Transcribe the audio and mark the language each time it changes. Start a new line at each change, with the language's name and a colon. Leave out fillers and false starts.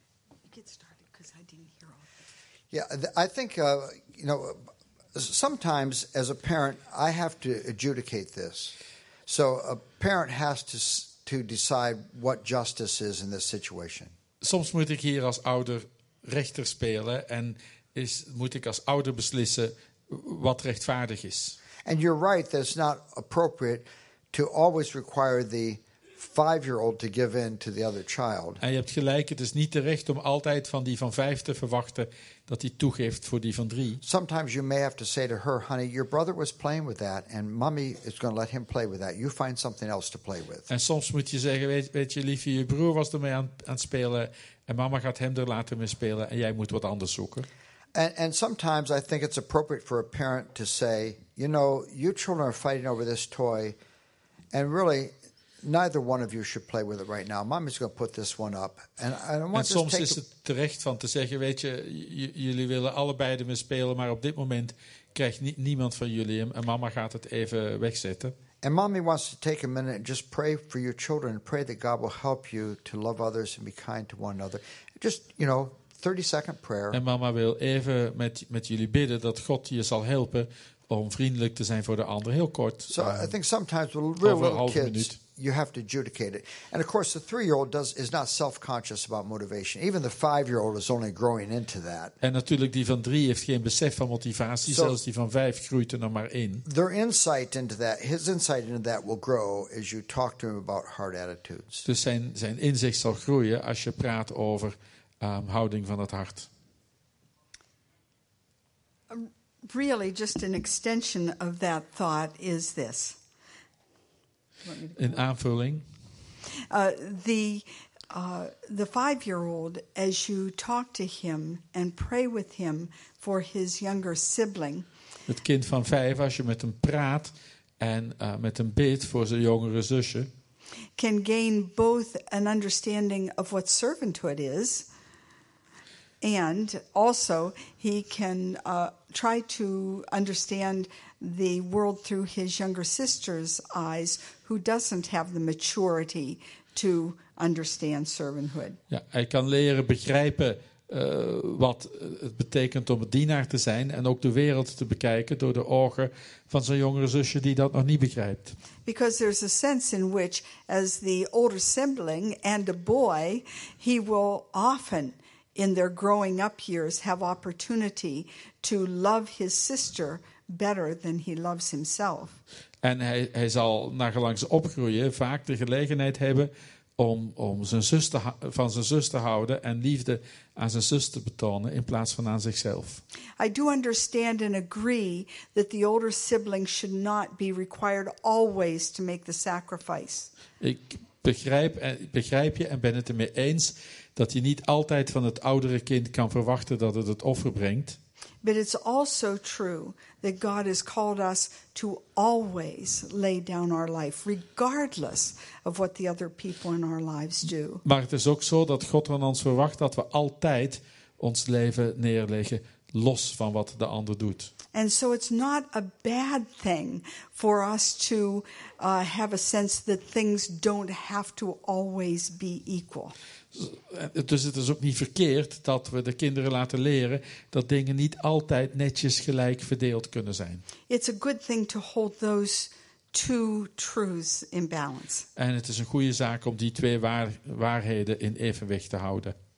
English: You get started because I didn't hear all. Yeah, I think you know. Sometimes, as a parent, I have to adjudicate this. So a parent has to decide what justice is in this situation.
Dutch: Soms moet ik hier als ouder rechter spelen en moet ik als ouder beslissen wat rechtvaardig is.
English: And you're right that it's not appropriate to always require the 5-year-old to give in to the other child.
Dutch: En je hebt gelijk, het is niet terecht om altijd van die van 5 te verwachten dat hij toegeeft voor die van 3.
English: Sometimes you may have to say to her, honey, your brother was playing with that and mommy is going to let him play with that. You find something else to play with.
Dutch: En soms moet je zeggen, weet je liefje, je broer was ermee aan het spelen en mama gaat hem er later mee spelen en jij moet wat anders zoeken.
English: And sometimes I think it's appropriate for a parent to say, you know, you children are fighting over this toy, and really, neither one of you should play with it right now. Mommy's going to put this one up.
Dutch: En soms is het terecht van te zeggen, weet je, jullie willen allebei ermee spelen, maar op dit moment krijgt niemand van jullie hem. En mama gaat het even wegzetten.
English: And mommy wants to take a minute and just pray for your children and pray that God will help you to love others and be kind to one another. Just, you know, 30-second prayer.
Dutch: En mama wil even met jullie bidden dat God je zal helpen om vriendelijk te zijn voor de ander. Heel kort.
English: So I think sometimes with really little kids, you have to adjudicate it. And of course, the 3-year-old is not self-conscious about motivation. Even the 5-year-old is only growing into that.
Dutch: En natuurlijk, die van 3 heeft geen besef van motivatie. So, zelfs die van 5 groeit er nog maar in.
English: His insight into that will grow as you talk to him about hard attitudes.
Dutch: Dus zijn inzicht zal groeien als je praat over houding van het hart.
English: Really, just an extension of that thought is this.
Dutch: In aanvulling.
English: The 5-year-old, as you talk to him and pray with him for his younger sibling.
Dutch: Het kind van 5, als je met hem praat en met hem bidt voor zijn jongere zusje.
English: Can gain both an understanding of what servanthood is. And also he can try to understand the world through his younger sister's eyes, who doesn't have the maturity to understand servanthood.
Dutch: Ja, hij kan leren begrijpen wat het betekent om een dienaar te zijn en ook de wereld te bekijken door de ogen van zijn jongere zusje die dat nog niet begrijpt.
English: Because there's a sense in which, as the older sibling and a boy, he will often in their growing up years have opportunity to love his sister better than he loves himself.
Dutch: En hij zal naargelang ze opgroeien vaak de gelegenheid hebben om zijn zus te van zijn zus te houden en liefde aan zijn zus te betonen in plaats van aan zichzelf.
English: I do understand and agree that the older sibling should not be required always to make the sacrifice.
Dutch: Ik begrijp je en ben het ermee eens dat je niet altijd van het oudere kind kan verwachten dat het het offer brengt.
English: But it's also true that God has called us to always lay down our life, regardless of what the other people in our lives do.
Dutch: Maar het is ook zo dat God van ons verwacht dat we altijd ons leven neerleggen, los van wat de ander doet.
English: And so it's not a bad thing for us to have a sense that things don't have to always be equal.
Dutch: Dus het is ook niet verkeerd dat we de kinderen laten leren dat dingen niet altijd netjes gelijk verdeeld kunnen zijn.
English: It's a good thing to hold those two truths in balance.
Dutch: En het is een goede zaak om die twee waarheden in evenwicht te houden.